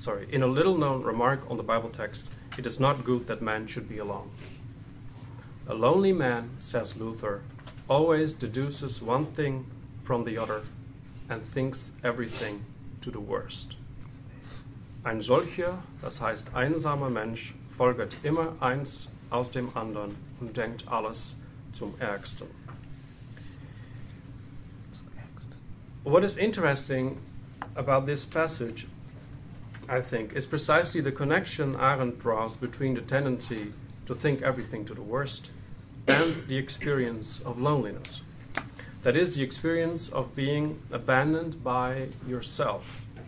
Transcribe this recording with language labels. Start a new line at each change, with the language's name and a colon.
English: In a little-known remark on the Bible text, it is not good that man should be alone. A lonely man, says Luther, always deduces one thing from the other and thinks everything to the worst.
German: Ein solcher, das heißt einsamer Mensch, folgert immer eins aus dem anderen und denkt alles zum Ärgsten.
English: What is interesting about this passage, I think, is precisely the connection Arendt draws between the tendency to think everything to the worst and the experience of loneliness. That is, the experience of being abandoned by yourself.